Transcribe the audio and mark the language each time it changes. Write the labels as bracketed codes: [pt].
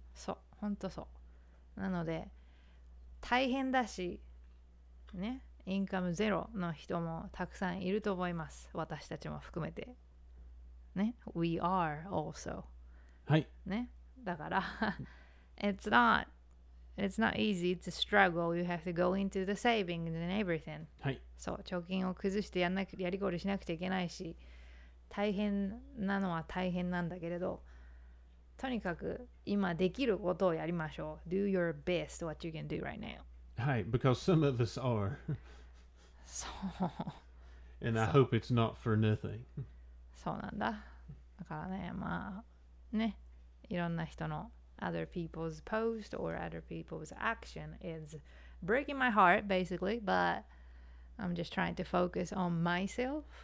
[ja] そう、本当そう、なので大変だしね、インカムゼロの人もたくさんいると思います、私たちも含めてね、 [en] We are also [ja] はいね、だから [en] it's not easy, it's a struggle, you have to go into the savings and everything、 [ja] はい、そう、貯金を崩してやりごりしなくちゃいけないし、大変なのは大変なんだけれど、とにかく今できることをやりましょう。 [en] Do your best what you can do right now. はい、because some of us are. [ja] そう。 [en] And I hope it's not for nothing. [ja] そうなんだ。だからね、まあね、いろんな人の [en] other people's post or other people's action is breaking my heart basically, but I'm just trying to focus on myself.